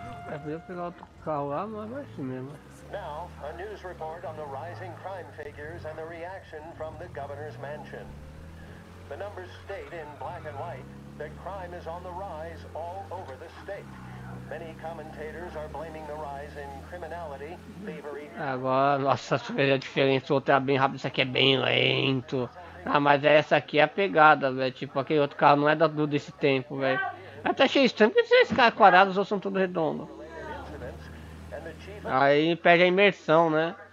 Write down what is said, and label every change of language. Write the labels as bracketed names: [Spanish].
[Portuguese] É, podia pegar outro carro lá, mas vai assim mesmo. [English] Now, a news report on the rising crime figures and the reaction from the governor's mansion. The numbers state in black and white that crime is on the rise all over the state. Many commentators are blaming the rise in criminality, thievery... [Portuguese] Agora, nossa, isso aqui é diferente, o outro era bem rápido, isso aqui é bem lento. Ah, mas essa aqui é a pegada, velho, tipo, aquele outro carro não é da do desse tempo, velho. Até achei estranho, porque esses caras quadrados ou são tudo redondo. Aí perde a imersão, né?